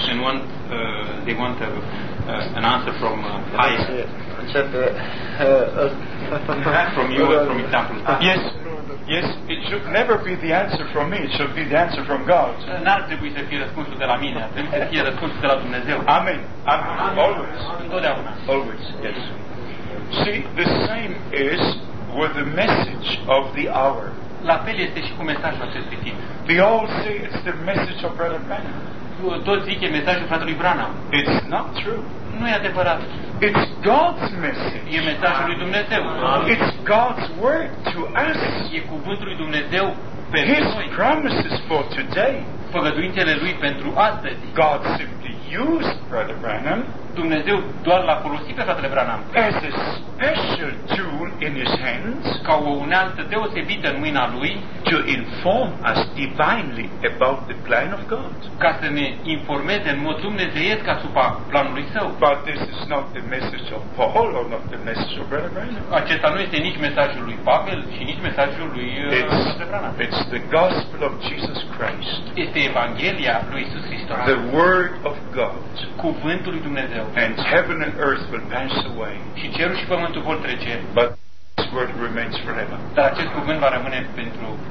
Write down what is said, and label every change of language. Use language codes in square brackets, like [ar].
[en] And they want an answer from from you or from example. Yes. Yes, it should never be the answer from me, it should be the answer from God. [ro] N-ar trebui să fie răspunsul de la mine, ar trebui să fie răspunsul de la Dumnezeu. [en] Amen. Amen. Amen. Always. [ro] Întotdeauna. [en] Always, yes. See, the same is with the message of the hour. [ro] La fel este și cu mesajul acestui timp. [en] They all say it's the message of Brother Branham. [ro] Toți zic e mesajul fratelui Branham. [en] It's not true. [ro] Nu e adevărat. [en] It's God's message. [ro] E mesajul lui Dumnezeu. [en] It's God's word to us. [ro] E cuvântul lui Dumnezeu pentru [en] His [ro] noi. [en] His promises for today. [ro] Făgăduințele lui pentru astăzi. [en] God simply used Brother Branham. [ro] Dumnezeu doar l-a folosit pe fratele Branham. [en] As a special tool in His hands. [ro] Ca o unealtă deosebită în mâna lui. [en] To inform us divinely about the plan of God. [ro] Ca să ne informeze în mod dumnezeiesc asupra planului său. [en] But this is not the message of Paul or not the message of Brother Branham. [ro] Acesta nu este nici mesajul lui Pavel și nici mesajul lui fratele Branham. [en] It's the gospel of Jesus Christ. [ro] Este Evanghelia lui Iisus Hristos. [en] The word of God. [ro] Cuvântul lui Dumnezeu. [en] And heaven and earth will pass away. [ro] Și cerul și pământul vor trece. [en] But this word remains forever. [ro] Dar acest cuvânt va rămâne pentru.